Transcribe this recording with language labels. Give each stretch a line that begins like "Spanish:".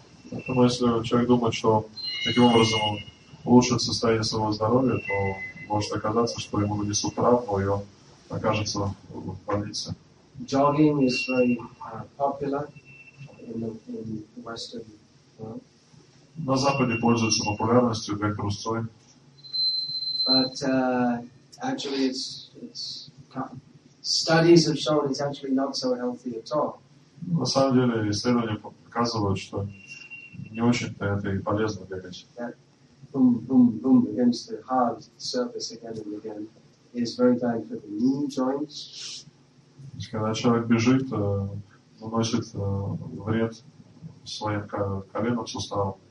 Russian: Поэтому если человек думает, что таким образом он улучшит состояние своего здоровья, то может оказаться, что ему нанесут травму, и он окажется в больнице.
English: Jogging is very popular. In the Western world.
Russian: На Западе пользуется популярностью бег трусцой.
English: But actually, studies have shown it's actually not so healthy at all.
Russian: На самом деле исследования показывают, что не очень-то это и полезно бегать.
English: That boom, boom, boom against the hard surface again and again is very bad for the knee joints.
Russian: Когда человек бежит, наносит вред своим коленным суставам.